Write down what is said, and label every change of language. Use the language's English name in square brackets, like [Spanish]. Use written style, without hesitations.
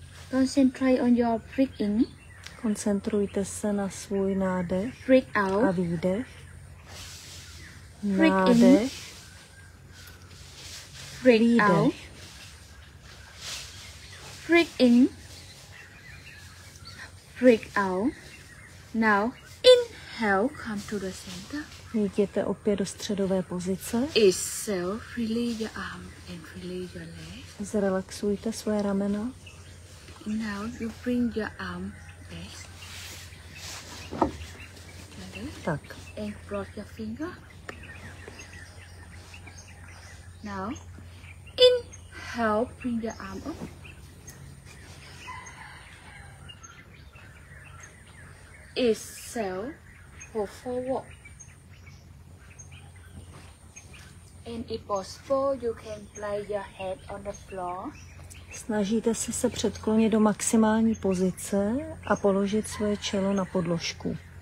[English] Concentrate on your breathing. [Czech] Koncentrujte se na svůj nádech. [English] Breathe out. [Czech] A výdech. Nádech. [English] Breathe out. Breathe in, breathe out. Now, inhale, come to the center. [Czech] Jděte opět do středové pozice. [English] Exhale, release your arm and release your legs. [Czech] Zrelaxujte své ramena. [English] Now, you bring your arm back. [Czech] Tak. [English] And brought your finger. Now, inhale, bring your arm up. Exhale, go forward. And if possible, you can place your head on the floor. [Czech] Snažíte se se předklonit do maximální pozice a položit své čelo na podložku.